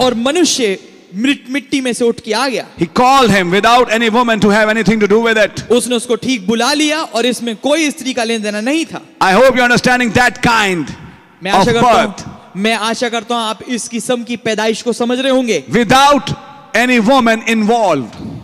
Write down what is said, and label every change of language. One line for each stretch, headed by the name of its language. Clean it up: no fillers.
Hindi: और मनुष्य मिट्टी में से उठ के आ गया.
English: He called him without any woman to have anything to do with it.
Hindi: उसने उसको ठीक बुला लिया और इसमें कोई स्त्री का लेन देना नहीं था.
English: I hope you're understanding that kind of birth.
Hindi: मैं आशा करता हूँ आप इस किस्म की पैदाइश को समझ रहे होंगे.
English: Without any woman involved.